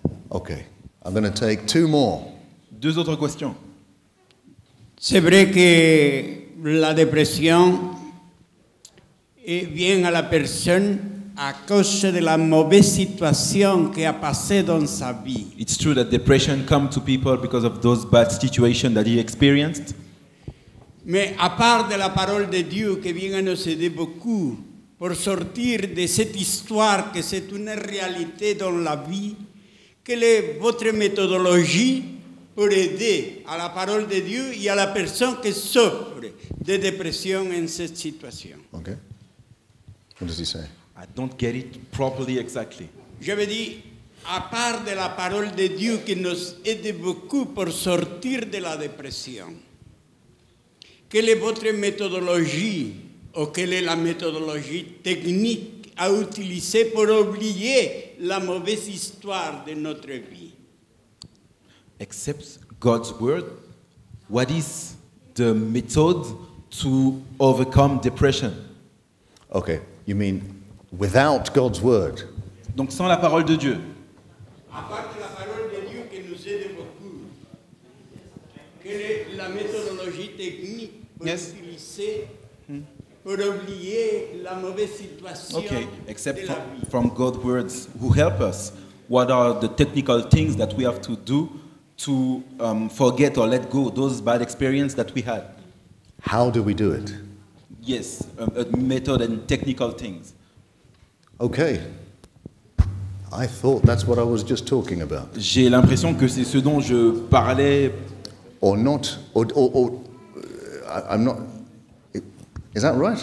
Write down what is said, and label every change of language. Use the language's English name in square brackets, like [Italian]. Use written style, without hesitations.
[English] Okay. I'm going to take 2 more. [French] Deux autres questions. C'est vrai que la dépression et vient à la personne à cause de la mauvaise situation qui a passé dans sa vie. [English] It's true that depression comes to people because of those bad situations that he experienced. [French] Mais à part de la parole de Dieu qui vient à nous aider beaucoup pour sortir de cette histoire que c'est une réalité dans la vie, quelle est votre méthodologie pour aider à la parole de Dieu et à la personne qui souffre de dépression en cette situation? [English] Okay. What does he say? I don't get it properly exactly. [French] Je veux dire, à part de la parole de Dieu qui nous aide beaucoup pour sortir de la dépression, quelle est votre méthodologie ou quelle est la méthodologie technique à utiliser pour oublier la mauvaise histoire de notre vie? [English] Except God's word, what is the method to overcome depression? Okay. You mean without God's word? [French] Donc sans la parole de Dieu. À part de la parole de Dieu qui nous aide beaucoup, quelle est la méthodologie technique pour utiliser pour oublier la mauvaise situation? [English] Okay, except from God's words who help us, what are the technical things that we have to do to forget or let go those bad experiences that we had? How do we do it? Yes, a method and technical things. Okay. I thought that's what I was just talking about. [French] J'ai l'impression que c'est ce dont je parlais. [English] Or not, or I'm not, is that right?